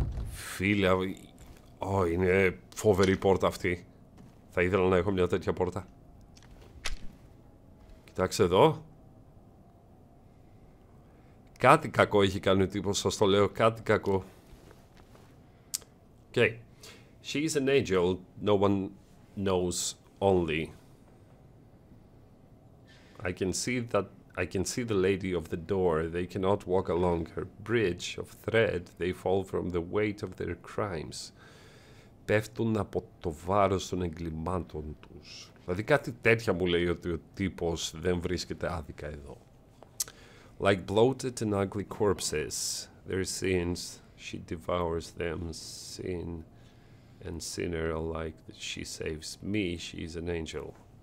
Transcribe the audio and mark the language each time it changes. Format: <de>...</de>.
<el>Φίλε, ω, είναι φοβερή πόρτα αυτή. Θα ήθελα να έχω μια τέτοια πόρτα. Κοιτάξτε εδώ. Κάτι κακό έχει κάνει ο τύπος, σας το λέω, κάτι κακό.</el> <en>Okay. She's an angel no one knows only. I can see the lady of the door. They cannot walk along her bridge of thread. They fall from the weight of their crimes.</en> <el>Πέφτουν από το βάρος των εγκλημάτων τους. Δηλαδή κάτι τέτοια μου λέει ότι ο τύπος δεν βρίσκεται άδικα εδώ.</el> <en>Like bloated and ugly corpses, their sins, she devours them, sin and sinner alike, she saves me, she is an angel.</en>